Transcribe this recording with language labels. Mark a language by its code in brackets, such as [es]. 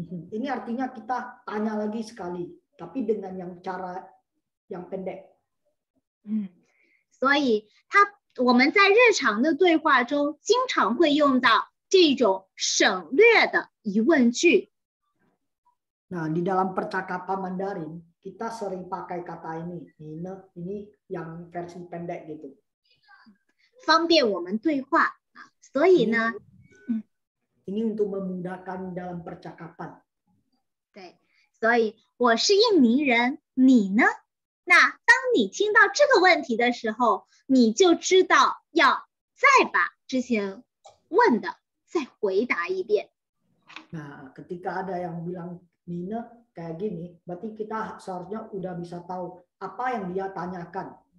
[id] Ini artinya kita tanya lagi sekali, tapi dengan yang cara yang pendek。 [zh] 嗯，所以它我们在日常的对话中经常会用到这种省略的疑问句。 [id] Nah, di dalam percakapan Mandarin kita sering pakai kata ini, ini, ini yang versi pendek gitu。 [zh] 方便我们对话，所以呢。 [id] Ini untuk memudahkan dalam percakapan. [zh] 对，所以我是印尼人，你呢？那当你听到这个问题的时候，你就知道要再把之前问的再回答一遍。 [id] Nah, ketika ada yang bilang Nina kayak gini, berarti kita seharusnya udah bisa tahu apa yang dia tanyakan.